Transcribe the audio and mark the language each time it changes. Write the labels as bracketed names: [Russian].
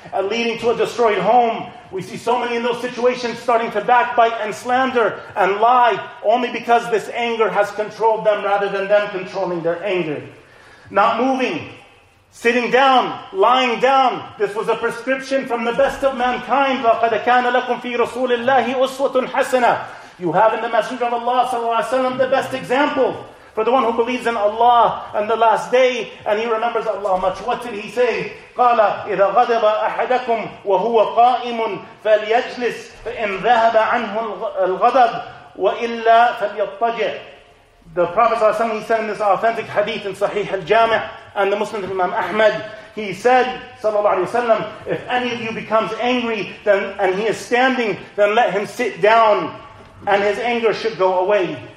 [English] leading to a destroyed home. We see so many in those situations starting to backbite and slander and lie only because this anger has controlled them rather than them controlling their anger. Not moving, sitting down, lying down. This was a prescription from the best of mankind. [Arabic] لَقَدَ كَانَ لَكُمْ فِي رَسُولِ اللَّهِ أُسْوَةٌ حَسَنَةٌ [English] You have in the Messenger of Allah صلى الله عليه وسلم the best example. For the one who believes in Allah and the last day, and he remembers Allah much. What did he say? [Arabic] قَالَ إِذَا غَضِبَ أَحَدَكُمْ وَهُوَ قَائِمٌ فَلْيَجْلِسْ فَإِنْ ذَهَبَ عَنْهُ الْغَضَبْ وَإِلَّا فَلْيَطَّجِعْ [English] The Prophet ﷺ, he said in this authentic hadith in Sahih al-Jami' and the Muslim Imam Ahmad, he said, sallallahu alayhi wa sallam, if any of you becomes angry then and he is standing, then let him sit down and his anger should go away.